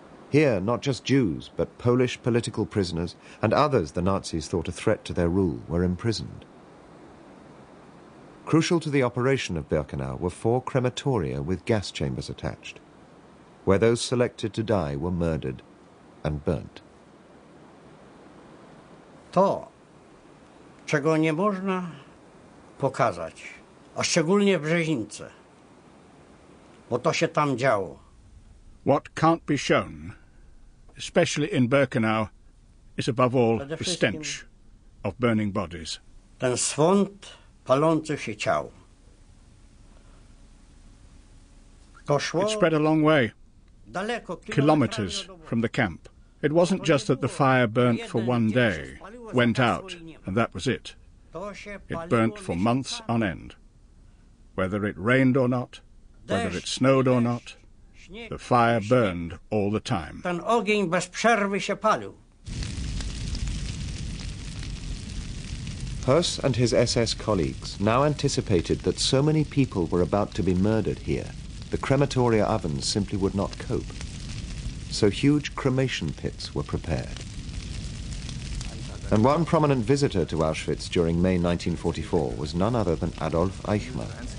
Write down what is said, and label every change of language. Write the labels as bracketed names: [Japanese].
[English] Here, not just Jews, but Polish political prisoners and others the Nazis thought a threat to their rule were imprisoned. Crucial to the operation of Birkenau were 4 crematoria with gas chambers attached, where those selected to die were murdered and burnt. [Polish] To, czego nie można pokazać, a szczególnie Brzeźnice, bo to się tam działo. [English] What can't be shown, especially in Birkenau, is above all the stench of burning bodies. [Polish] Ten swąd palących się ciał. [English] It spread a long way, kilometers from the camp. It wasn't just that the fire burnt for one day, went out, and that was it. It burnt for months on end. Whether it rained or not, whether it snowed or not, the fire burned all the time. [Polish] Ten ogień bez przerwy się palił. [English] Höss and his SS colleagues now anticipated that so many people were about to be murdered here, the crematoria ovens simply would not cope. So huge cremation pits were prepared. And one prominent visitor to Auschwitz during May 1944 was none other than Adolf Eichmann.